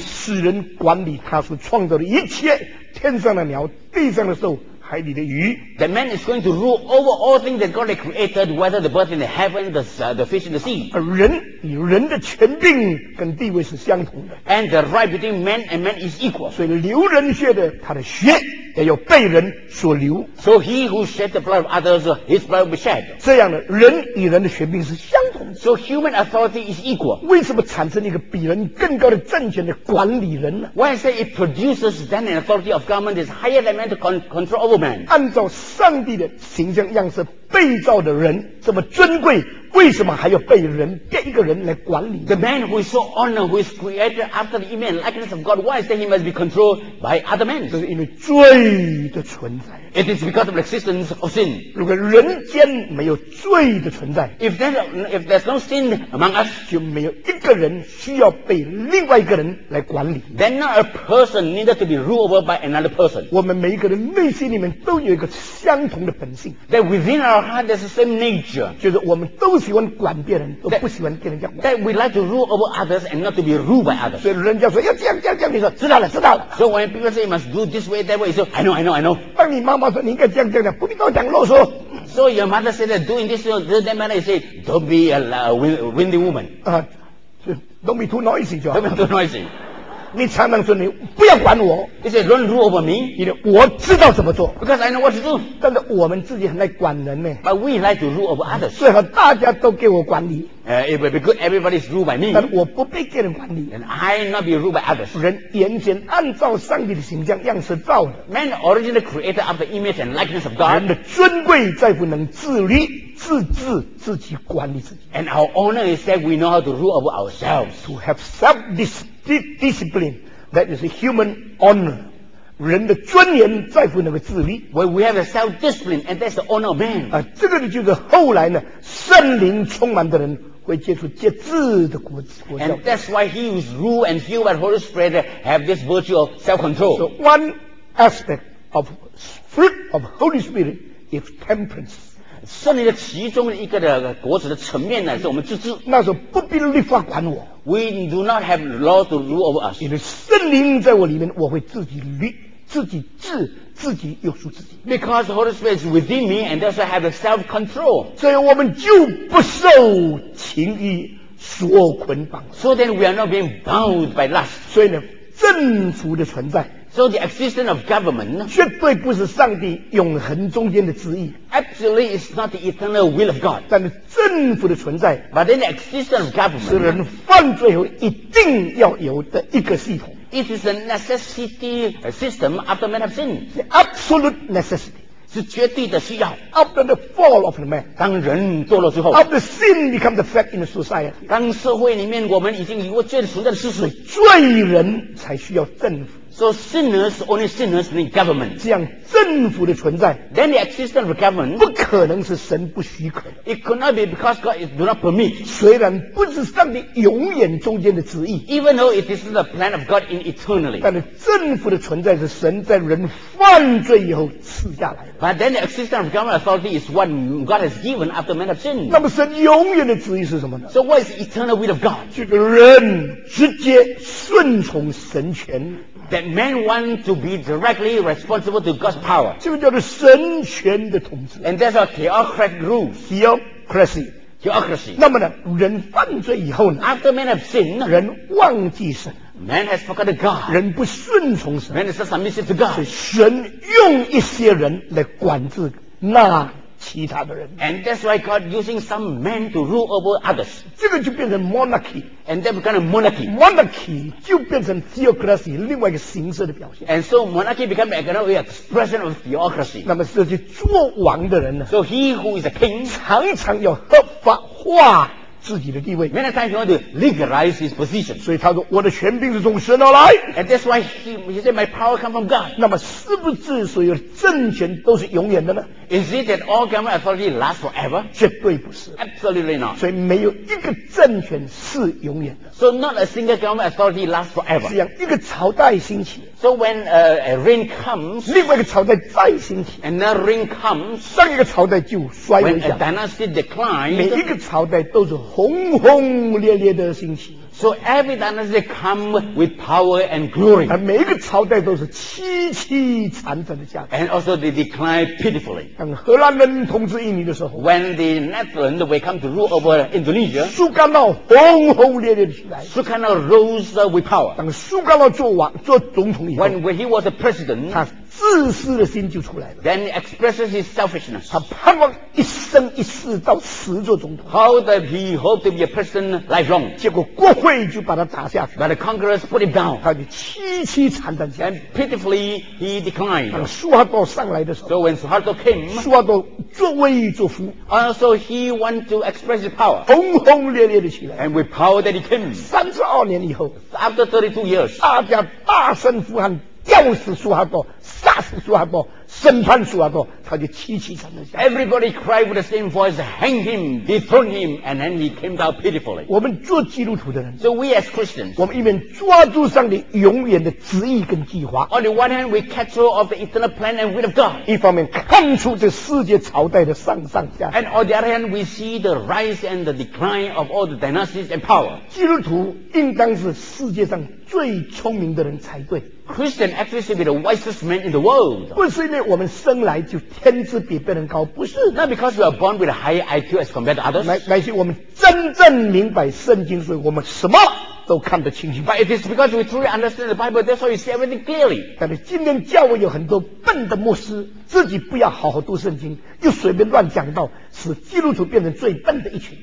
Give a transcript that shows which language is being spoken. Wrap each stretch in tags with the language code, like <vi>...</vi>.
<zh>使人管理他所创造的一切，天上的鸟，地上的兽，海里的鱼。</zh> <en>The man is going to rule over all things that God had created, whether the birds in the heaven, the fish in the sea.</en> <zh>而人与人的权柄跟地位是相同的。</zh> <en>And the right between man and man is equal.</en> <zh>所以流人血的，他的血也要被人所流。</zh> <en>So he who shed the blood of others, his blood will be shed.</en> <zh>这样的人与人的权柄是相同的。</zh> <en>So human authority is equal.</en> <zh>为什么产生一个比人更高的政权的管理人呢？</zh> <en>Why say it produces then an authority of government that is higher than man to control over man?</en> <zh>按照上帝的形象样式被造的人这么尊贵，为什么还要被人变一个人来管理？</zh> <en>The man who is so honored, who is created after the image and likeness of God, why is that he must be controlled by other men?</en> <zh>这是因为罪的存在。</zh> <en>It is because of the existence of sin.</en> <zh>如果人间没有罪的存在，</zh> <en>if there's no sin among us,</en> <zh>就没有一个人需要被另外一个人来管理。</zh> <en>Then not a person needed to be ruled over by another person.</en> <zh>我们每一个人内心里面都有一个相同的本性。</zh> <en>That within our heart there's the same nature.</en> <zh>就是我们都喜欢管别人，都不喜欢跟人家管。</zh> <en>That we like to rule over others and not to be ruled by others.</en> <zh>所以人家说要这样这样这样，你说知道了知道了。</zh> <en>So when people say you must do this way that way, you say I know I know I know.</en> <zh>当你妈妈说你应该这样这样，不必跟我讲啰嗦。</zh> <en>So your mother said that doing this way that manner, you say don't be a windy woman. Don't be too noisy, John. Don't be too noisy.</en> <zh>你常常说你不要管我。</zh> <en>You say don't rule over me.</en> <zh>你说我知道怎么做。</zh> <en>Because I know what to do.</en> <zh>但是我们自己很爱管人呢。</zh> <en>But we like to rule over others.</en> <zh>最好大家都给我管理。</zh> <en>It will be good everybody is ruled by me.</en> <zh>但我不被别人管理。</zh> <en>And I not be ruled by others.</en> <zh>人原先按照上帝的形象样式造的。</zh> <en>Man originally created after the image and likeness of God.</en> <zh>人的尊贵在乎能自立自治自己管理自己。</zh> <en>And our honor is that we know how to rule over ourselves. To have self-discipline, that is a human honor.</en> <zh>人的尊严在乎那个自立。</zh> <en>Well, we have a self-discipline, and that's the honor of man.</en> <zh>这个就是后来呢，圣灵充满的人会接触接智的国教。</zh> <en>And that's why he who is ruled and healed by the Holy Spirit have this virtue of self-control. So one aspect of fruit of Holy Spirit is temperance.</en> <zh>圣灵的其中一个的果子的层面呢，是我们自治。那时候不必律法管我。</zh> <en>We do not have law to rule over us.</en> <zh>因为圣灵在我里面，我会自己律、自己治、自己约束自己。</zh> <en>Because Holy Spirit is within me, and thus I have a self-control.</en> <zh>所以我们就不受情欲所捆绑。</zh> <en>So then we are not being bound by lust.</en> <zh>所以呢，政府的存在。</zh> <en>So the existence of government</en> <zh>绝对不是上帝永恒中间的旨意。</zh> <en>Absolutely, it's not the eternal will of God.</en> <zh>但是政府的存在</zh> <en>，But then the existence of government</en> <zh>是人犯罪后一定要有的一个系统。</zh> <en>It is a necessity system after man has sinned. The absolute necessity</en> <zh>是绝对的需要。</zh> <en>After the fall of man</en> <zh>当人堕落之后</zh> <en>，After sin becomes a fact in society</en> <zh>当社会里面我们已经有过罪存在的事实，罪人才需要政府。</zh> <en>So sinners, only sinners need government.</en> <zh>这样政府的存在</zh> <en>Then the existence of government</en> <zh>不可能是神不许可的。</zh> <en>It could not be because God do not permit.</en> <zh>虽然不是上帝永远中间的旨意</zh> <en>Even though it is the plan of God in eternally.</en> <zh>但是政府的存在是神在人犯罪以后赐下来的。</zh> <en>But then the existence of government authority is what God has given after man has sinned.</en> <zh>那么神永远的旨意是什么呢？</zh> <en>So what is the eternal will of God?</en> <zh>就是人直接顺从神权。</zh> <en>That man want to be directly responsible to God's power.</en> <zh>这个叫做神权的统治。</zh> <en>And that's a theocratic rule. Theocracy. Theocracy.</en> <zh>那么呢，人犯罪以后呢</zh> <en>？After man have sinned,</en> <zh>人忘记神。</zh> <en>Man has forgotten God.</en> <zh>人不顺从神。</zh> <en>Man is not submissive to God.</en> <zh>神用一些人来管制那其他的人。</zh> <en>And that's why God using some men to rule over others.</en> <zh>这个就变成 monarchy.</zh> <en>And that becomes monarchy.</en> <zh>Monarchy 就变成 theocracy 另外一个形式的表现。</zh> <en>And so monarchy becomes an expression of theocracy.</en> <zh>那么这些做王的人呢</zh> <en>？So he who is a king</en> <zh>常常要合法化自己的地位。</zh> <en>Many times he wants to legalize his position.</en> <zh>所以他说我的权柄是从神而来。</zh> <en>And that's why he said my power comes from God.</en> <zh>那么是不是所有的政权都是永远的呢？</zh> <en>Is it that all government authority lasts forever?</en> <zh>绝对不是。</zh> <en>Absolutely not.</en> <zh>所以没有一个政权是永远的。</zh> <en>So not a single government authority lasts forever.</en> <zh>这样一个朝代兴起。</zh> <en>So when a reign comes,</en> <zh>另外一个朝代再兴起。</zh> <en>And that reign comes,</en> <zh>上一个朝代就衰微</zh> <en>了。When a dynasty declines,</en> <zh>每一个朝代都是轰轰烈烈的兴起。</zh> <en>So every dynasty comes with power and glory.</en> <zh>每一个朝代都是凄凄惨惨的下去。</zh> <en>And also they decline pitifully.</en> <zh>当荷兰人统治印尼的时候</zh> <en>，When the Netherlands will come to rule over Indonesia,</en> <zh>苏干道轰轰烈烈的起来。</zh> <en>苏干道 rose with power.</en> <zh>当苏干道做王做总统以后</zh> <en>，When he was a president,</en> <zh>他自私的心就出来了。</zh> <en>Then he expresses his selfishness.</en> <zh>他盼望一生一世到死做总统。</zh> <en>How that he hoped to be a president lifelong.</en> <zh>结果国会就把他打下去。</zh> <en>But the Congress put him down.</en> <zh>他就凄凄惨惨下去。</zh> <en>And pitifully he declined.</en> <zh>当苏哈多上来的时候</zh> <en>，So when 苏哈多 came,</en> <zh>苏哈多作威作福。</zh> <en>Also he wanted to express his power.</en> <zh>轰轰烈烈的起来。</zh> <en>And with power that he came.</en> <zh>32年以后</zh> <en>，After 32 years,</en> <zh>大家大声呼喊。吊死苏哈多，杀死苏哈多，审判苏哈多，他就凄凄惨惨。</zh> <en>Everybody cried with the same voice, "Hang him, dethrone him," and then he came down pitifully.</en> <zh>我们做基督徒的人</zh> <en>，So we as Christians,</en> <zh>我们一面抓住上帝永远的旨意跟计划</zh> <en>，On the one hand, we catch hold of the eternal plan and will of God.</en> <zh>一方面看出这世界朝代的上上下下</zh> <en>，And on the other hand, we see the rise and the decline of all the dynasties and power.</en> <zh>基督徒应当是世界上最聪明的人才对。</zh> <en>Christian actually should be the wisest man in the world.</en> <zh>不是因为我们生来就天资比别人高，不是。</zh> <en>Not because we are born with a high IQ as compared to others.</en> <zh>乃是我们真正明白圣经，所以我们什么都看得清清。</zh> <en>But it is because we truly understand the Bible, that's why we see everything clearly.</en> <zh>但是今天教会有很多笨的牧师，自己不要好好读圣经，又随便乱讲道，使基督徒变成最笨的一群。</zh>